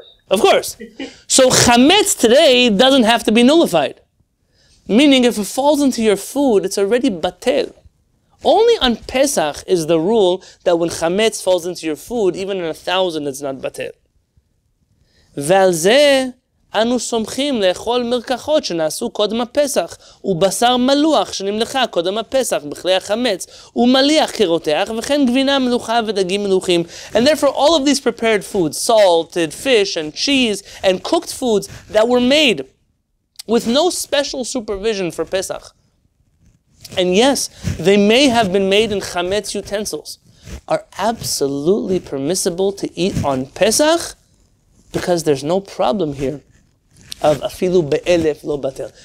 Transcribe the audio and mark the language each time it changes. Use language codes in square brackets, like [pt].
[en] Of course. So chametz today doesn't have to be nullified. Meaning if it falls into your food, it's already batel. Only on Pesach is the rule that when chametz falls into your food, even in 1,000, it's not batel. [he] ועל זה אנו סומכים לאכול מרקחות שנעשו קודם הפסח, ובשר מלוח שנמלכה קודם הפסח בכלי החמץ, ומליח כרותח, וכן גבינה מלוכה ודגים מלוכים. [en] And therefore all of these prepared foods, salted fish and cheese and cooked foods that were made with no special supervision for Pesach. And yes, they may have been made in chametz utensils, are absolutely permissible to eat on Pesach, because there's no problem here of [he] afilu be'elef lo batel.